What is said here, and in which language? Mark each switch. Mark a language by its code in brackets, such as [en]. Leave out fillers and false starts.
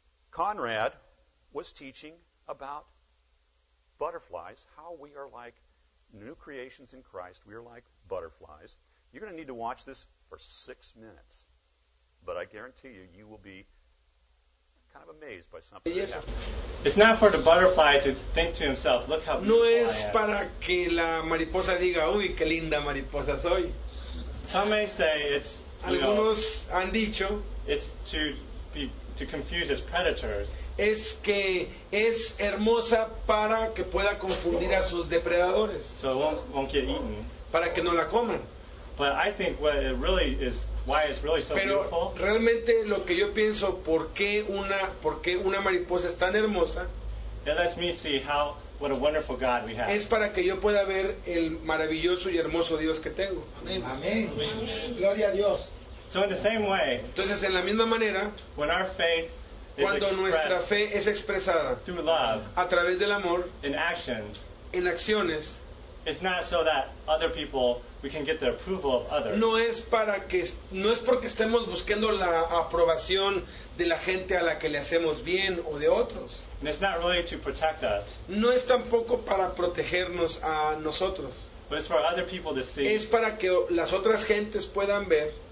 [en] Conrad was teaching about butterflies, how we are like new creations in Christ. We are like butterflies. You're going to need to watch this for 6 minutes, but I guarantee you, you will be kind of amazed by something. Yes. It's not for the butterfly to think to himself, look how beautiful I am. [es] No es para que la mariposa diga, uy, qué linda mariposa soy. [en] Some may say it's, [es] algunos [en] know, [es] han dicho, [en] it's to confuse his predators. [es] Es que es hermosa para que pueda confundir a sus depredadores. [en] So it won't get eaten. [es] Para que no la coman. [en] But I think what it really is, why it's really so [es] Pero [en] beautiful. [es] Pero realmente lo que yo pienso, ¿por qué una mariposa es tan hermosa? [en] It lets me see what a wonderful God we have. [es] Es para que yo pueda ver el maravilloso y hermoso Dios que tengo. Amén. Gloria a Dios. [en] So in the same way. [es] Entonces en la misma manera. [en] When our faith [es] cuando nuestra fe es expresada [en] through love, [es] a través del amor. [en] In actions. [es] En acciones. [en] It's not so that other people we can get the approval of others. [es] No es porque estemos buscando la aprobación de la gente a la que le hacemos bien o de otros. [en] And it's not really to protect us. [es] No es tampoco para protegernos a nosotros. [en] But it's for other people to see. [es] Es para que las otras gentes puedan ver